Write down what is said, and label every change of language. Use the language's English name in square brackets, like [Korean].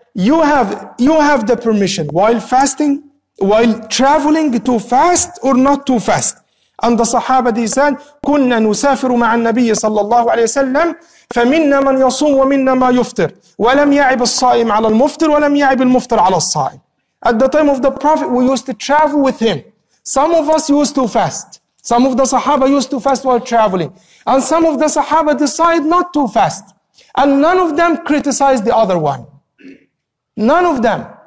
[English] But you have the permission while fasting, while traveling, to fast or not to fast. And the Sahaba, they said, [Arabic] كنا نسافر مع النبي صلى الله عليه وسلم فمنا من يصوم ومنا ما يفطر ولم يعب الصائم على المفطر ولم يعب المفطر على الصائم. [English] At the time of the Prophet, we used to travel with him. Some of us used to fast. Some of the Sahaba used to fast while traveling. And some of the Sahaba decided not to fast. And none of them criticized the other one. None of them.